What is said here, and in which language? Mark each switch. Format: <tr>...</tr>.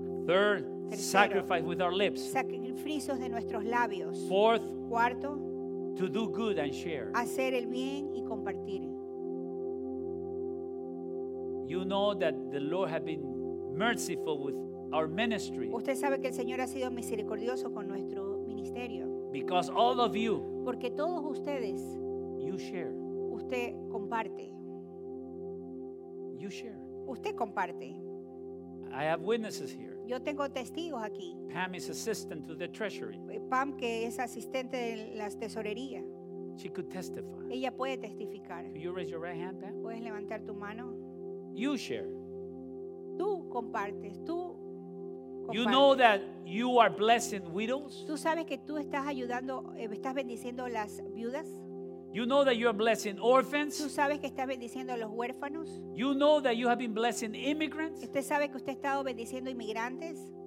<en>Third,</en> <es>tercero,</es> <en>sacrifice with our lips.</en> <es>Sacrificios de nuestros labios.</es> <en>Fourth,</en> <es>cuarto,</es> <en>to do good and share.</en> <es>Hacer el bien y compartir.</es> <en>You know that the Lord has been merciful with our ministry.</en> <es>Usted sabe que el Señor ha sido misericordioso con nuestro ministerio.</es> <en>Because all of you,</en> <es>porque todos ustedes,</es> <en>you share.</en> <es>Usted comparte.</es> <en>You share.</en> <es>Usted comparte.</es> <en>I have witnesses here.</en> <es>Yo tengo testigos aquí.</es> <en>Pam is assistant to the treasury.</en> <es>Pam, que es asistente de la tesorería.</es> <en>She could testify.</en> <es>Ella puede testificar.</es> <en>Can you raise your right hand, Pam?</en> <es>Puedes levantar tu mano.</es> <en>You share.</en> <es>Tú compartes. Tú.</es> <en>You know that you are blessing widows.</en> <es>¿Tú sabes que tú estás ayudando, estás bendiciendo las viudas?</es> <en>You know that you are blessing orphans.</en> <es>¿Tú sabes que estás bendiciendo a los huérfanos?</es> <en>You know that you have been blessing immigrants.</en> <es>¿Usted sabe que usted ha estado bendiciendo inmigrantes?</es>